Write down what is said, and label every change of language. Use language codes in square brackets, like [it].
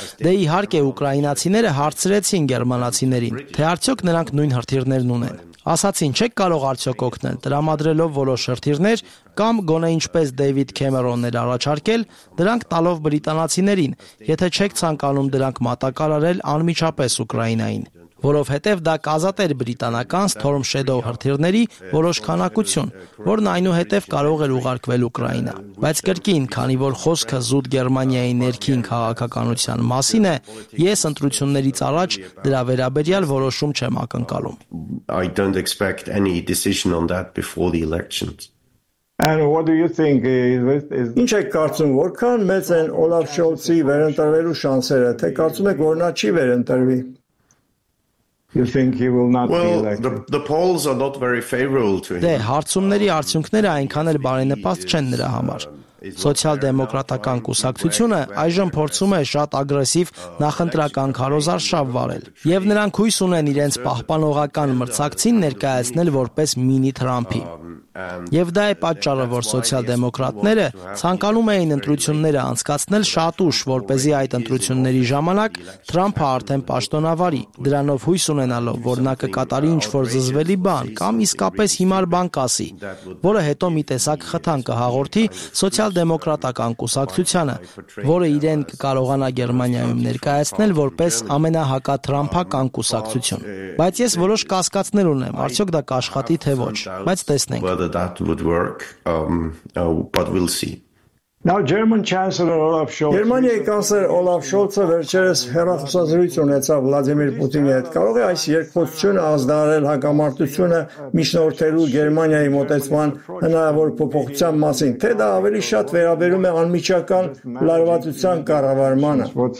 [hy] Դե իհարկե ուկրաինացիները հարցրեցին գերմանացիներին, թե արդյոք նրանք նույն հրթիռներն ունեն։ Ասացին, չեք կարող արդյոք օգնել տրամադրելով որոշ հրթիռներ կամ գոնե ինչպես Դեյվիդ Քեմերոնն էր առաջարկել, դրանք տալով բրիտանացիներին, եթե չեք ցանկանում դրանք մատակարարել անմիջապես Ուկրաինային, որովհետև դա կազատեր բրիտանական Storm Shadow հրթիռների որոշ քանակություն, որն այնուհետև կարող էր ուղարկվել Ուկրաինա։ Բայց կրկին, քանի որ խոսքը զուտ Գերմանիայի ներքին քաղաքականության մասին է, ես ընտրություններից առաջ դրա վերաբերյալ որոշում չեմ ակնկալում։ [en] I don't expect any decision on that before the elections. And what do you think is [hy] Ինչ եք կարծում, որքան մեծ են Olaf Scholz-ի վերընտրվելու շանսերը, թե կարծում եք, որ նա չի վերընտրվի։ [en] You think he will not well, be elected? Well, the polls are not very favorable to him. [hy] Դե հարցումների արդյունքները այնքան էլ բարենպաստ չեն նրա համար։ Սոցիալ-դեմոկրատական կուսակցությունը այժմ փորձում է շատ ագրեսիվ նախընտրական քարոզարշավ վարել, եւ նրանք հույս ունեն իրենց պահպանողական մրցակցին ներկայացնել որպես մինի Թրամփի։ Եվ դա է պատճառը, որ սոցիալ-դեմոկրատները ցանկանում էին ընտրությունները անցկացնել շատ ուշ, որպեսզի այդ ընտրությունների ժամանակ Թրամփը արդեն պաշտոնավարի, դրանով հույս ունենալով, որ նա կկատարի ինչ-որ զզվելի բան կամ իսկապես հիմար բան կասի, որը հետո մի տեսակ խթան կհաղորդի սոցիալ-դեմոկրատական կուսակցությանը, որը իրեն կարողանա Գերմանիայում ներկայացնել որպես ամենահակաթրամփական կուսակցություն։ Բայց ես որոշ կասկածներ ունեմ, արդյոք դա կաշխատի թե ոչ, բայց տեսնենք։ [en] Whether that would work, but we'll see. Now, German Chancellor Olaf Scholz. [hy] Գերմանիայի կանսեր Օլաֆ Շոլցը վերջերս հեռախոսազրույց ունեցավ Վլադիմիր Պուտինի հետ։ Կարող է այս երկխոսությունը ազդարել հակամարտությունը միջնորդելու Գերմանիայի մոտեցման հնարավոր փոփոխության մասին, թե դա ավելի շատ վերաբերում է անմիջական լարվածության կառավարմանը։